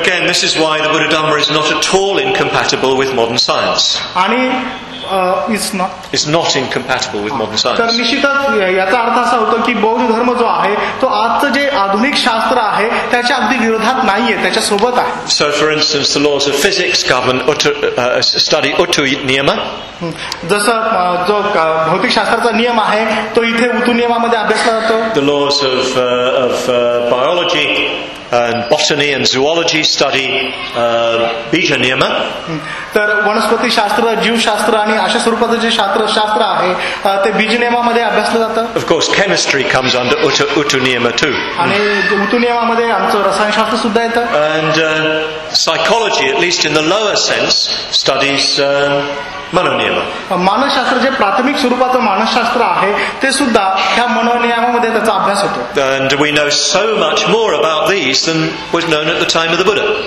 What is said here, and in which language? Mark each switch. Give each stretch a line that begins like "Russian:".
English: Again, this is why the Buddha Dhamma is not at all incompatible with modern science.
Marathi: आणि
English: it's not incompatible with modern science.
Marathi: तर निश्चितच याचा अर्थ असा होतो की बौद्ध धर्म जो आहे तो आजचं जे आधुनिक शास्त्र आहे त्याच्या अगदी विरोधात नाहीये त्याच्या सोबत आहे.
English: So for instance the laws of physics govern study utu niyama.
Marathi: जसं जो भौतिक शास्त्राचा नियम आहे तो इथे उतु नियमामध्ये अभ्यासला जातो.
English: The laws of biology and botany and zoology study bija niyama.
Marathi: तर वनस्पती शास्त्र जीव शास्त्र आणि अशा स्वरूपाचं जे शास्त्र आहे ते बीज नियमामध्ये अभ्यासलं जातं.
English: Of course chemistry comes under utu niyama too.
Marathi: आणि उतु नियमामध्ये आमचं रसायनशास्त्र सुद्धा येतं.
English: And psychology at least in the lower sense studies मनोनियम.
Marathi: मानसशास्त्र जे प्राथमिक स्वरूपाचं मानसशास्त्र आहे ते सुद्धा ह्या मनोनियमामध्ये त्याचा अभ्यास होतो.
English: And we know so much more about these than was known at the time of the Buddha.